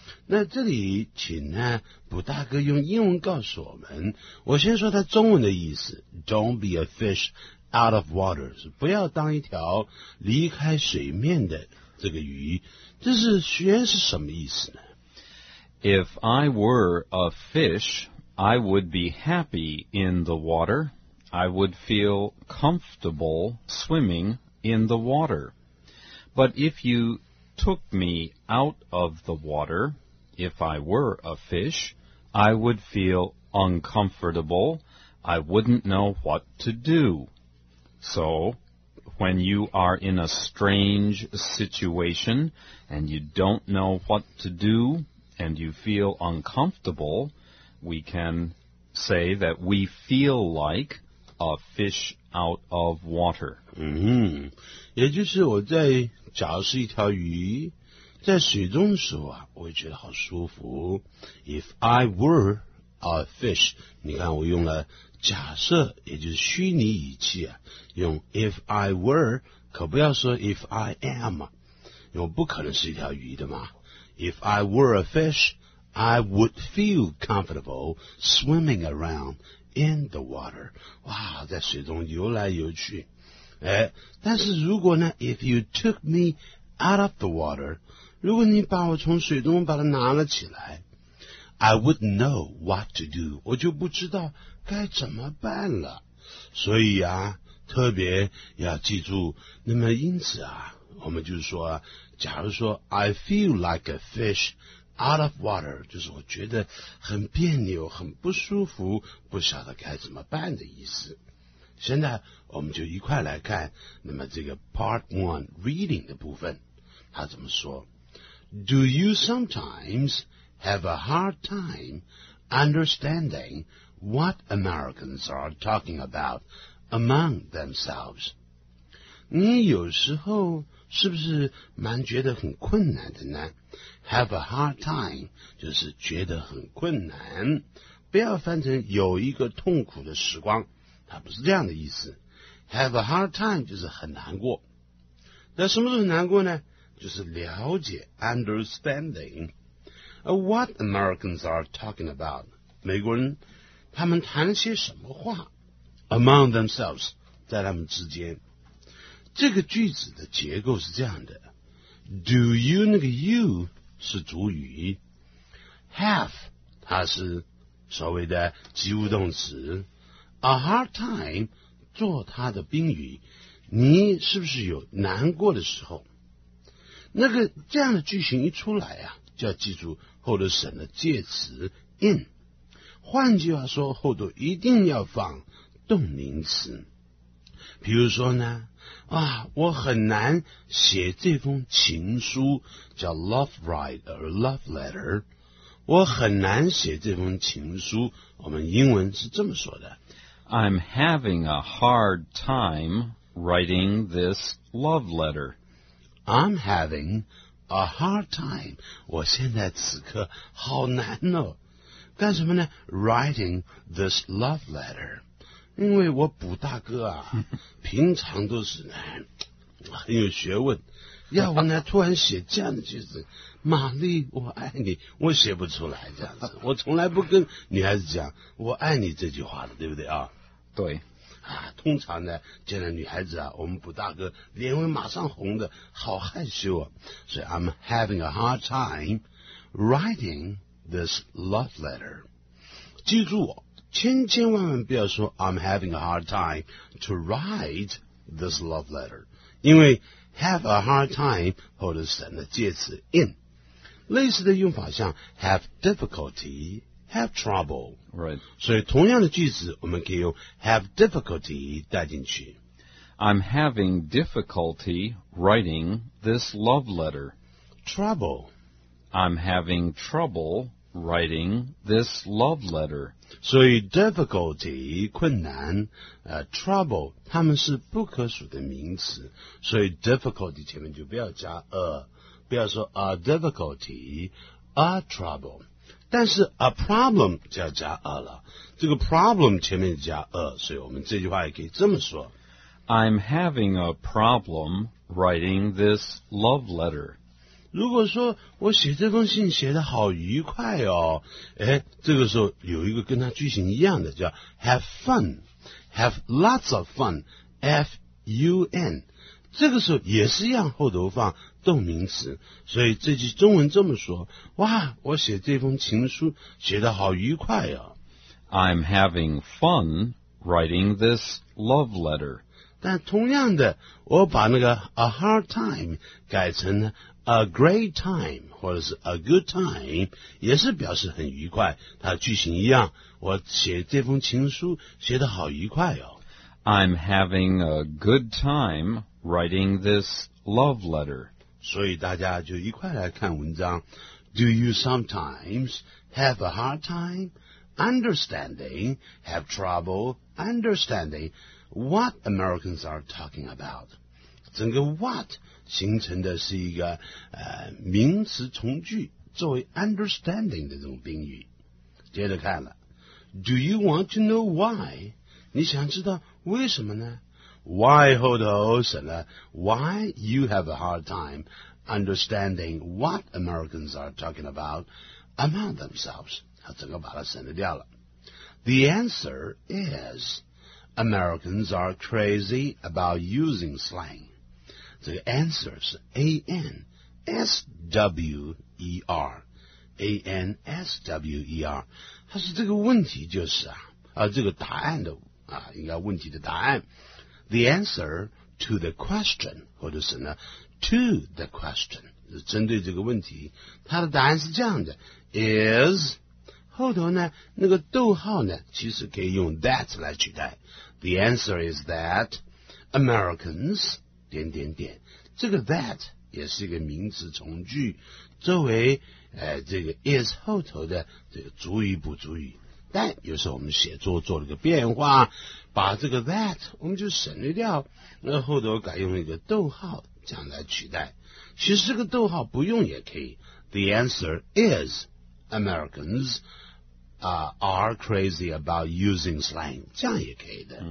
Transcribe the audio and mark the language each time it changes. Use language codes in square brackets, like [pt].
[zh] 那这里请呢卜大哥用英文告诉我们，我先说他中文的意思 ， [en] Don't be a fish out of water， [zh] 是不要当一条离开水面的这个鱼，这是学是什么意思呢 [en] ？If I were a fish, I would be happy in the water. I would feel comfortable swimming in the water. But if you took me out of the water, if I were a fish, I would feel uncomfortable. I wouldn't know what to do. So, when you are in a strange situation and you don't know what to do and you feel uncomfortable, we can say that we feel like... A fish out of water. [zh] 嗯，也就是我在假如是一条鱼，在水中的时候啊，我会觉得好舒服。 [en] If I were are fish. [zh] 你看我用了假设，也就是虚拟语气啊，用 if I were， 可不要说 if I am， 因为不可能是一条鱼的嘛。 [en] If I were a fish, I would feel comfortable swimming around in the water. [zh] 哇，在水中游来游去。哎，但是如果呢 ， [en] if you took me out of the water， [zh] 如果你把我从水中把它拿了起来 ， [en] I would know what to do， [zh] 我就不知道该怎么办了。所以啊，特别要记住。那么因此啊，我们就是说，假如说 [en] I feel like a fish out of water， [zh] 就是我觉得很别扭、很不舒服，不晓得该怎么办的意思。现在我们就一块来看，那么这个 [en] Part 1 Reading [zh] 的部分，他怎么说 [en] ？Do you sometimes have a hard time understanding what Americans are talking about among themselves？ [zh] 你有时候是不是蛮觉得很困难的呢 ？Have a hard time 就是觉得很困难，不要翻成有一个痛苦的时光。它不是这样的意思。 Have a hard time 就是很难过。那什么时候难过呢？就是了解 ， [en] understanding what Americans are talking about。 [zh] 美国人他们谈了些什么话 ？ [en] Among themselves， [zh] 在他们之间。这个句子的结构是这样的 ：Do you 那个 you 是主语 ，have 它是所谓的及物动词。 A hard time 做他的宾语，你是不是有难过的时候？那个这样的句型一出来啊，就要记住后头省的介词 in。换句话说，后头一定要放动名词。比如说呢，啊，我很难写这封情书，叫 love writer love letter。我很难写这封情书，我们英文是这么说的。 [en] I'm having a hard time writing this love letter. I'm having a hard time. [zh] 我现在此刻好难哦。干什么呢 [en] ？Writing this love letter. [zh] 因为我卜大哥啊，平常都是呢很有学问，要不呢突然写这样的句子，玛丽我爱你，我写不出来这样子。我从来不跟女孩子讲我爱你这句话的，对不对啊？对啊，通常呢见了女孩子啊，我们卜大哥脸会马上红的，好害羞啊。 [en] 所以 I'm having a hard time writing this love letter。 [zh] 记住我千千万万不要说 [en] I'm having a hard time to write this love letter， [zh] 因为 [en] have a hard time [zh] 后头省了介词 [en] in。类似的用法像 have difficultyHave trouble. Right. [zh] 所以同样的句子我们可以用 have difficulty 带进去。 [en] I'm having difficulty writing this love letter. Trouble. I'm having trouble writing this love letter. [zh] 所以 difficulty, 困难、trouble, 它们是不可数的名词。所以 difficulty 前面就不要加 a, 不要说 a difficulty, a trouble. 但是 a problem 就要加 a 了，这个 problem 前面加 a， 所以我们这句话也可以这么说 [en] ：I'm having a problem writing this love letter。 [zh] 如果说我写这封信写得好愉快哦，哎，这个时候有一个跟它句型一样的叫 have fun，have lots of fun，f u n， 这个时候也是一样，后头放。动名词，所以这句中文这么说，哇，我写这封情书写得好愉快啊。 [en] I'm having fun writing this love letter. [zh] 但同样的，我把那个 a hard time 改成 a great time 或者是 a good time， 也是表示很愉快，它句型一样，我写这封情书写得好愉快啊。 [en] I'm having a good time writing this love letter. [zh] 所以大家就一块来看文章。 [en] Do you sometimes have a hard time understanding, have trouble understanding what Americans are talking about? [zh] 整个 what 形成的是一个名词从句，作为 understanding 的这种宾语。接着看了。 [en] Do you want to know why? [zh] 你想知道为什么呢 [en] ？Why 后头省了 Why you have a hard time understanding what Americans are talking about among themselves？ [zh] 他整个把它省了掉了。 [en] The answer is Americans are crazy about using slang. 这个 answer 是 A-N-S-W-E-R. A-N-S-W-E-R. [zh] 它是这个问题就是啊，啊这个答案的啊，应该问题的答案。 [en] The answer to the question, [zh] 或者是呢 to the question, 针对这个问题，它的答案是这样的 is... 后头呢那个逗号呢其实可以用 that 来取代 The answer is that Americans 点点点这个 that 也是一个名词从句作为、这个 is 后头的这个主语补主语但有时候我们写作做了个变化把这个 that 我们就省略掉那后头改用一个逗号这样来取代其实这个逗号不用也可以 [en] The answer isAmericans、are crazy about using slang [zh] 这样也可以的、